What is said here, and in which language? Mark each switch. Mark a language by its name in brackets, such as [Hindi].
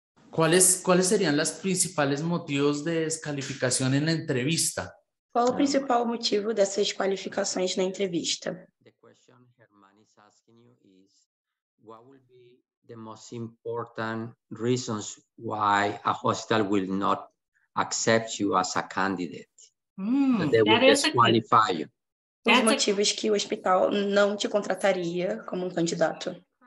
[Spanish] ¿Cuáles serían los principales motivos de descalificación en la entrevista? ¿Cuál es el principal motivo de esas cualificaciones en la entrevista? [English] The question Germán is asking you is what will be the most important reasons why a hostel will not accept you as a candidate? They will disqualify you. [Portuguese] Os motivos que o hospital não te contrataria como candidato.